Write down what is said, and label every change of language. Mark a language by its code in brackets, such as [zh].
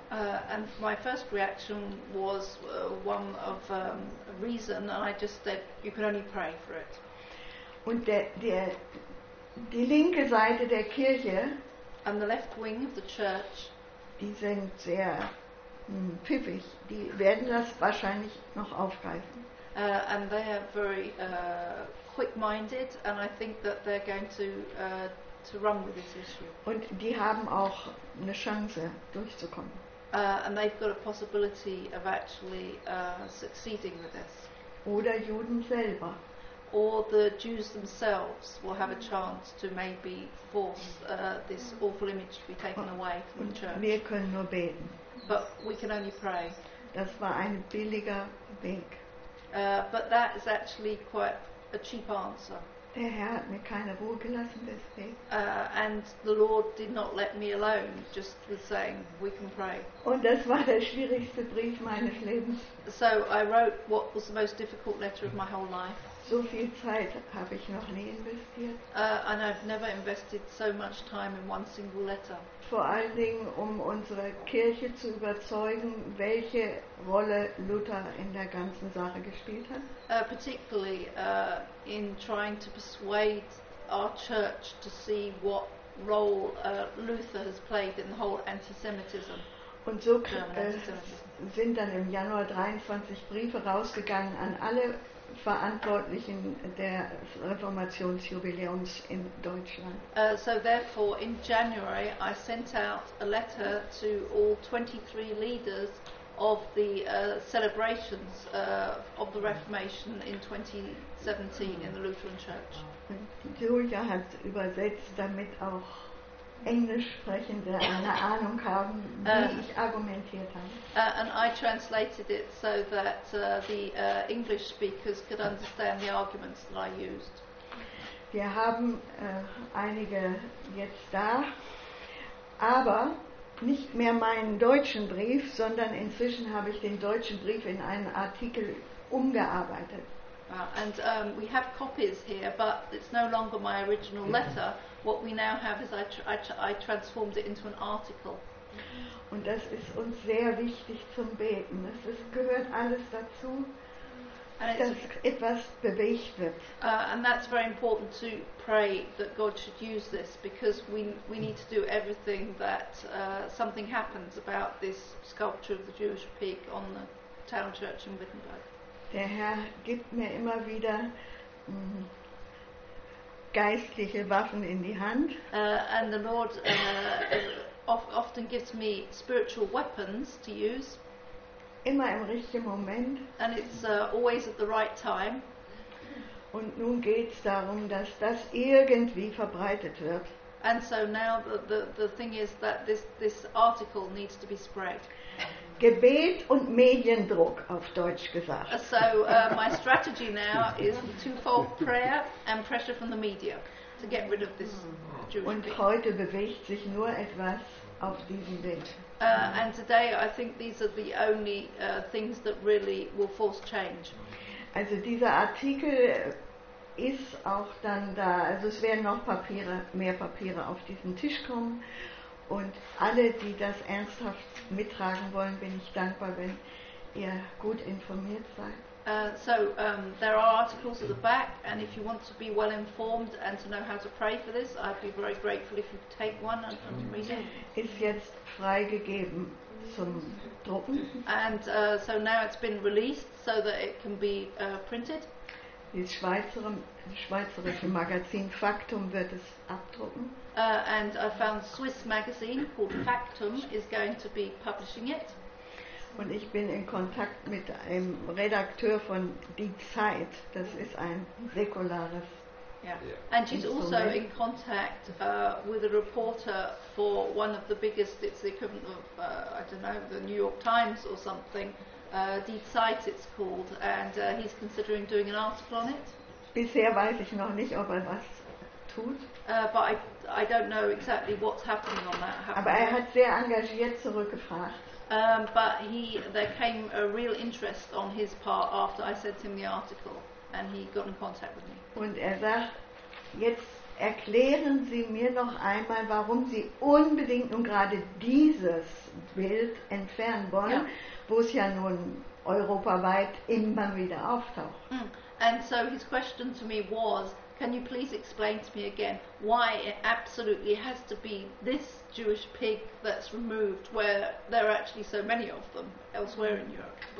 [en] And my first reaction was one of reason, and I just said, you can only pray for it. [de] Und die linke Seite der Kirche, [en] and the left wing of the church, [de] die sind sehr pfiffig. Die werden das wahrscheinlich noch aufgreifen. [en] And they are very quick-minded, and I think that they're going to run with this issue. [de] Und die haben auch eine Chance, durchzukommen. [en] And they've got a possibility of actually succeeding with this. [de] Oder Juden selber. [en] Or the Jews themselves will have a chance to maybe force this awful image to be taken away from the church. [de] Wir können nur beten. [en] But we can only pray. [de] Das war ein billiger Weg. [en] But that is actually quite a cheap answer. [de] Der Herr hat mir keine Ruhe gelassen deswegen. [en] And the Lord did not let me alone, just with saying, we can pray. [de] Und das war der schwierigste Brief meines Lebens. [en] So I wrote what was the most difficult letter of my whole life. [de] So viel Zeit habe ich noch nie investiert. [en] And I've never invested so much time in one single letter. [de] Vor allen Dingen, um unsere Kirche zu überzeugen, welche Rolle Luther in der ganzen Sache gespielt hat. [en] Particularly in trying to persuade our church to see what role Luther has played in the whole antisemitism. [de] Und so sind dann im Januar 23 Briefe rausgegangen an alle Verantwortlichen der Reformationsjubiläums in Deutschland. [en] So therefore in January I sent out a letter to all 23 leaders of the celebrations of the Reformation in 2017 in the Lutheran Church. [de] Julia hat übersetzt, damit auch Englisch sprechende eine Ahnung haben, wie ich argumentiert habe. [en] And I translated it so that the English speakers could understand the arguments that I used. [de] Wir haben einige jetzt da, aber nicht mehr meinen deutschen Brief, sondern inzwischen habe ich den deutschen Brief in einen Artikel umgearbeitet. [en] And we have copies here, but it's no longer my original letter. What we now have is I transformed it into an article. [de] Und das ist uns sehr wichtig zum Beten. Es gehört alles dazu, dass etwas bewegt wird. [en] And that's very important to pray that God should use this, because we need to do everything that something happens about this sculpture of the Jewish pig on the town church in Wittenberg. [de] Der Herr gibt mir immer wieder geistliche Waffen in die Hand. [en] And the Lord often gives me spiritual weapons to use. [de] Immer im richtigen Moment. [en] And it's always at the right time. [de] Und nun geht's darum, dass das irgendwie verbreitet wird. [en] And so now the thing is that this article needs to be spread. [de] Gebet und Mediendruck, auf Deutsch gesagt. [en] So, my strategy now is twofold prayer and pressure from the media to get rid of this Jewish. [de] Und heute bewegt sich nur etwas auf diesem Weg. [en] And today I think these are the only things that really will force change. [de] Also dieser Artikel ist auch dann da, also es werden noch mehr Papiere auf diesen Tisch kommen. Und alle, die das ernsthaft mittragen wollen, bin ich dankbar, wenn ihr gut informiert seid. [en] So, there are articles at the back, and if you want to be well informed and to know how to pray for this, I'd be very grateful if you take one and read it. [de] Ist jetzt freigegeben zum Drucken. [en] And so now it's been released, so that it can be printed. [de] Das schweizerische Magazin Faktum wird es abdrucken. [en] And I found Swiss magazine called Faktum is going to be publishing it. [de] Und ich bin in Kontakt mit einem Redakteur von Die Zeit. Das ist ein säkulares. [en] Yeah. And she's also in contact with a reporter for one of the biggest. It's the equivalent of I don't know, the New York Times or something. Die Zeit, it's called, and he's considering doing an article on it. [de] Bisher weiß ich noch nicht, ob er was tut. [en] But I don't know exactly what's happening on that. [de] Aber er hat sehr engagiert zurückgefragt. [en] But there came a real interest on his part after I sent him the article, and he got in contact with me. [de] Und er sagt, jetzt erklären Sie mir noch einmal, warum Sie unbedingt nun gerade dieses Bild entfernen wollen, wo es ja nun europaweit immer wieder auftaucht. Mm. [en] And so his question to me was, can you please explain to me again why it absolutely has to be this Jewish pig that's removed, where there are actually so many of them elsewhere in Europe?